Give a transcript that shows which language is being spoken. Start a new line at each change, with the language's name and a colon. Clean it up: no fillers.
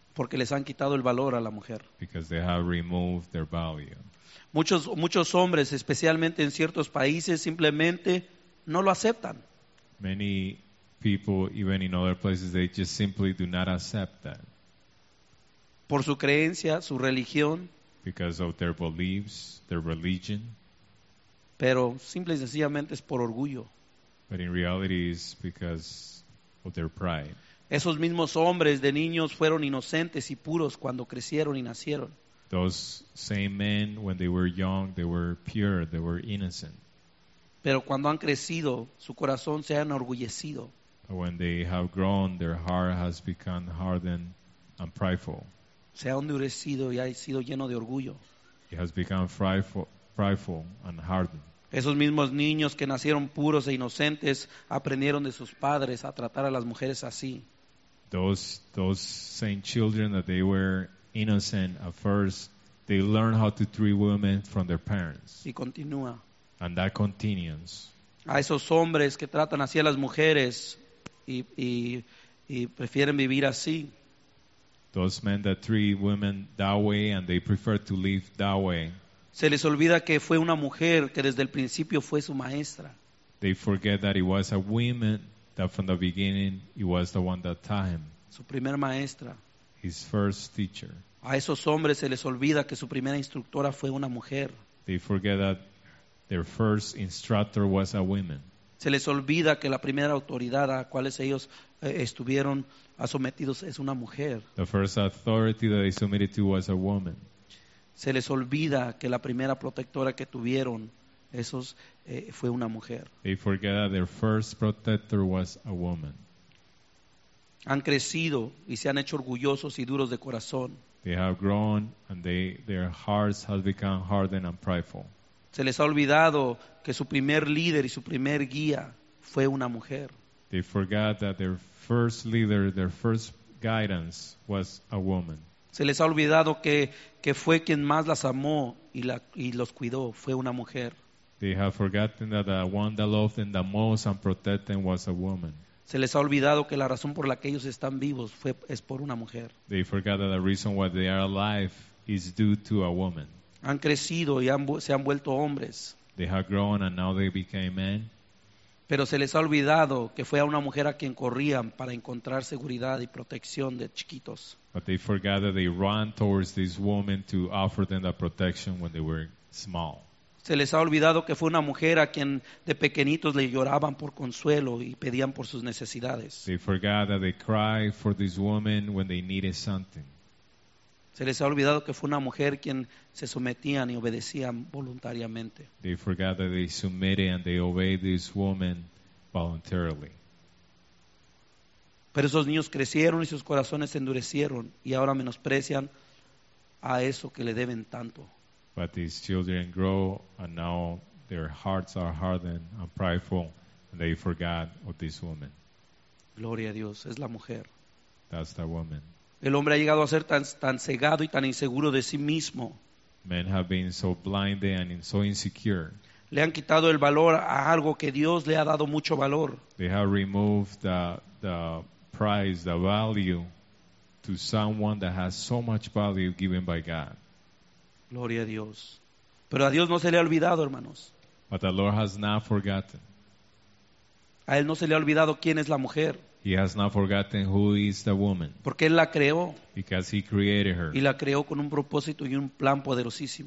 Spanish: Porque les han quitado el valor a la mujer.
English: Because they have removed their value.
Spanish: Muchos hombres, especialmente en ciertos países, simplemente no lo aceptan.
English: Many people, even in other places, they just simply do not accept that.
Spanish: Por su creencia, su religión.
English: Because of their beliefs, their religion.
Spanish: Pero simple y sencillamente es por orgullo.
English: But in reality, it's because of their pride.
Spanish: Esos mismos hombres de niños fueron inocentes y puros cuando crecieron y nacieron.
English: Those same men, when they were young, they were pure, they were innocent.
Spanish: Pero cuando han crecido, su corazón se ha enorgullecido.
English: But when they have grown, their heart has become hardened and prideful.
Spanish: Se ha endurecido y ha sido lleno de orgullo.
English: It has become prideful and hardened.
Spanish: Esos mismos niños que nacieron puros e inocentes aprendieron de sus padres a tratar a las mujeres así.
English: Those same children that they were innocent at first, they learn how to treat women from their parents.
Spanish: Y continúa.
English: And that continues.
Spanish: A esos hombres que tratan así a las mujeres y prefieren vivir así.
English: Those men that treat women that way and they prefer to live that way.
Spanish: Se les olvida que fue una mujer que desde el principio fue su maestra.
English: They forget that it was a woman that from the beginning it was the one that taught him.
Spanish: Su primer maestra.
English: His first teacher.
Spanish: A esos hombres se les olvida que su primera instructora fue una mujer.
English: They forget that their first instructor was a woman.
Spanish: Se les olvida que la primera autoridad a cuales ellos estuvieron sometidos es una mujer.
English: The first authority that they submitted to was a woman.
Spanish: Se les olvida que la primera protectora que tuvieron esos fue una mujer.
English: They forget that their first protector was a woman.
Spanish: Han crecido y se han hecho orgullosos y duros de corazón.
English: They have grown and their hearts have become hardened and prideful.
Spanish: Se les ha olvidado que su primer líder y su primer guía fue una mujer.
English: They forgot that their first leader, their first guidance was a woman.
Spanish: Se les ha olvidado que fue quien más las amó y los cuidó, fue una mujer.
English: They have forgotten that the one that loved them the most and protected them was a woman.
Spanish: Se les ha olvidado que la razón por la que ellos están vivos es por una mujer.
English: They forgot that the reason why they are alive is due to a woman.
Spanish: Han crecido y se han vuelto hombres.
English: They have grown and now they became men.
Spanish: Pero se les ha olvidado que fue a una mujer a quien corrían para encontrar seguridad y protección de chiquitos.
English: But they forgot that they ran towards this woman to offer them that protection when they were small.
Spanish: Se les ha olvidado que fue una mujer a quien de pequeñitos le lloraban por consuelo y pedían por sus necesidades.
English: They forgot that they cried for this woman when they needed something.
Spanish: Se les ha olvidado que fue una mujer quien se sometían y obedecían voluntariamente.
English: They forgot that they submitted and they obeyed this woman voluntarily.
Spanish: Pero esos niños crecieron y sus corazones se endurecieron y ahora menosprecian a eso que le deben tanto.
English: But these children grow and now their hearts are hardened and prideful and they forgot of this woman.
Spanish: Gloria a Dios, es la mujer.
English: That's the woman.
Spanish: El hombre ha llegado a ser tan cegado y tan inseguro de sí mismo.
English: Men have been so blinded and so insecure.
Spanish: Le han quitado el valor a algo que Dios le ha dado mucho valor.
English: They have removed the price, the value to someone that has so much value given by God.
Spanish: Gloria a Dios. Pero a Dios no se le ha olvidado, hermanos.
English: But the Lord has not forgotten.
Spanish: A él no se le ha olvidado quién es la mujer.
English: He has not forgotten who is the woman.
Spanish: Porque él la creó.
English: Because he created her.
Spanish: Y la creó con un propósito y un plan poderosísimo.